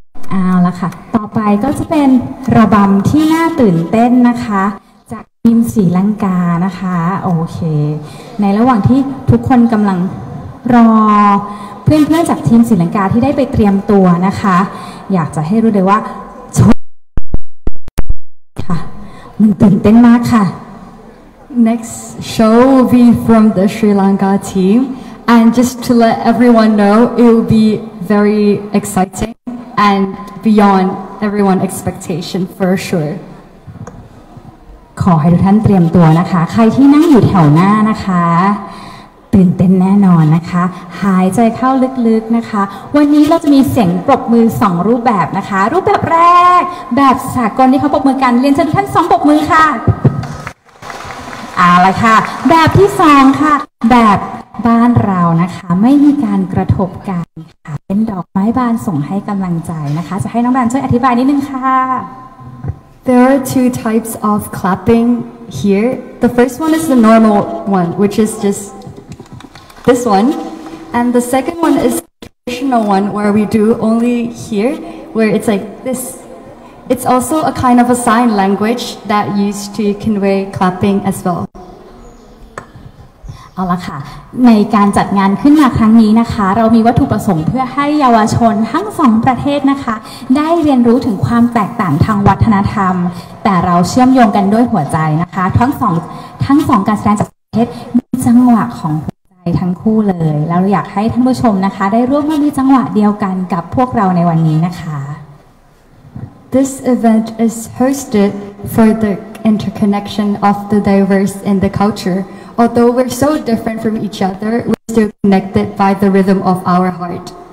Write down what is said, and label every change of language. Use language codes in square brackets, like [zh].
[th] เอาละค่ะต่อไปก็จะเป็นระบำที่น่าตื่นเต้นนะคะจากทีมศรีลังกานะคะโอเคในระหว่างที่ทุกคนกำลังรอเพื่อนๆจากทีมศรีลังกาที่ได้ไปเตรียมตัวนะคะอยากจะให้รู้เลยว่าค่ะมันตื่นเต้นมากค่ะ [en] Next show will be from the Sri Lanka team and just to let everyone know it will be very exciting and beyond everyone expectation for sure [th] ขอให้ทุกท่านเตรียมตัวนะคะใครที่นั่งอยู่แถวหน้านะคะตื่นเต้นแน่นอนนะคะหายใจเข้าลึกๆนะคะวันนี้เราจะมีเสียงปรบมือ2รูปแบบนะคะรูปแบบแรกแบบสากลที่เขาปรบมือกันเรียนเชิญท่าน2ปรบมือค่ะเอาล่ะค่ะแบบที่2ค่ะแบบบ้านเรานะคะไม่มีการกระทบกันค่ะเป็นดอกไม้บานส่งให้กำลังใจนะคะจะให้น้องแบนช่วยอธิบายนิดนึงค่ะ [en] There are two types of clapping here the first one is the normal one which is justThis one, and the second one is traditional one where we do only here, where it's like this. It's also a kind of a sign language that used to convey clapping as well. [th] เอาละค่ะในการจัดงานขึ้นมาครั้งนี้นะคะเรามีวัตถุประสงค์เพื่อให้เยาวชนทั้งสองประเทศนะคะได้เรียนรู้ถึงความแตกต่างทางวัฒนธรรมแต่เราเชื่อมโยงกันด้วยหัวใจนะคะทั้งสองการแสดงจากประเทศมีจังหวะของทั้งคู่เลยแล้วอยากให้ท่านผู้ชมนะคะได้ร่วมมีจังหวะเดียวกันกับพวกเราในวันนี้นะคะ [en] This event is hosted for the interconnection of the diverse in the culture although we're so different from each other we're still connected by the rhythm of our heart